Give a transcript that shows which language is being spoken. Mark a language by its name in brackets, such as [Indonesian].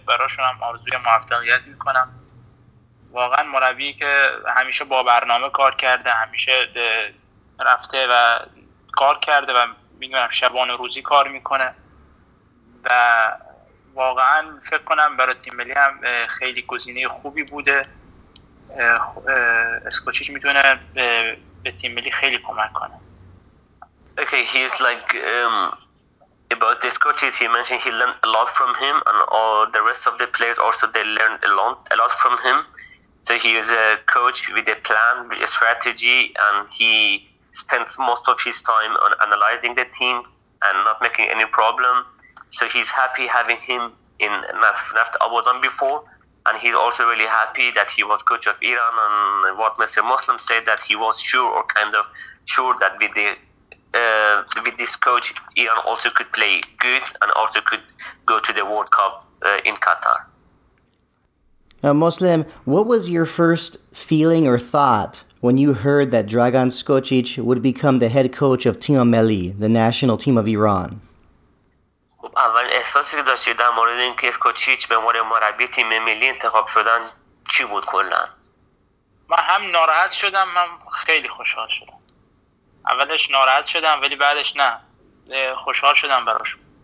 [Persian] براشون هم آرزوی موفقیت میکنم. واقعا مربی که همیشه با برنامه کار کرده، همیشه رفته و کار کرده و میدونم شبانه روزی کار میکنه و واقعا فکر کنم برای تیم ملی هم خیلی گزینه خوبی بوده. اسکوچیچ میتونه به تیم ملی خیلی کمک کنه. [English] Okay, he's like about this coach. He mentioned he learned a lot from him, and all the rest of the players also they learned a lot from him. So he is a coach with a plan, with a strategy, and he spends most of his time on analyzing the team and not making any problem. So he's happy having him in Naft Abadan before, and he's also really happy that he was coach of Iran. And what Mr. Muslim said, that he was sure or kind of sure that with the with this coach, Iran also could play good and also could go to the World Cup in Qatar. Now, Muslim, what was your first feeling or thought when you heard that Dragan Skocic would become the head coach of Team Melli, the national team of Iran? [Persian] اول احساسی که داشتید در مورد این که اسکوچیچ به عنوان مربی تیم ملی انتخاب شدن چی بود کلا؟ من هم ناراحت شدم، هم خیلی خوشحال شدم. اولش ناراحت شدم ولی بعدش نه، خوشحال شدم براش.